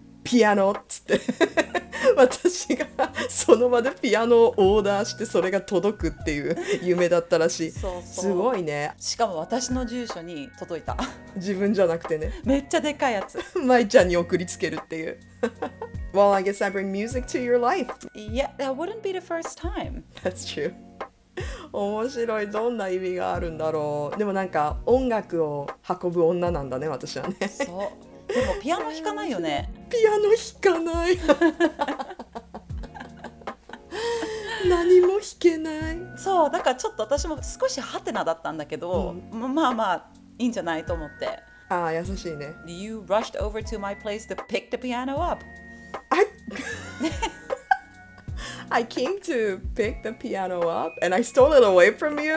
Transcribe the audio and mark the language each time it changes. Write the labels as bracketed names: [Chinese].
[Japanese] ピアノっつって私がその場でピアノをオーダーしてそれが届くっていう夢だったらしい。そうそう、すごいね。しかも私の住所に届いた。自分じゃなくてね。めっちゃでかいやつ。まいちゃんに送りつけるっていう。 [English] Well, I guess I bring music to your life. Yeah, that wouldn't be the first time. That's true. [Japanese] 面白い、どんな意味があるんだろう。でもなんか音楽を運ぶ女なんだね、私はね。そう。でもピアノ弾かないよね。ピアノ弾かない何も弾けない。そう、だからちょっと私も少しハテナだったんだけど、うん、まあいいんじゃないと思って。あ、優しいね。 [English] You rushed over to my place to pick the piano up. I came to pick the piano up and I stole it away from you?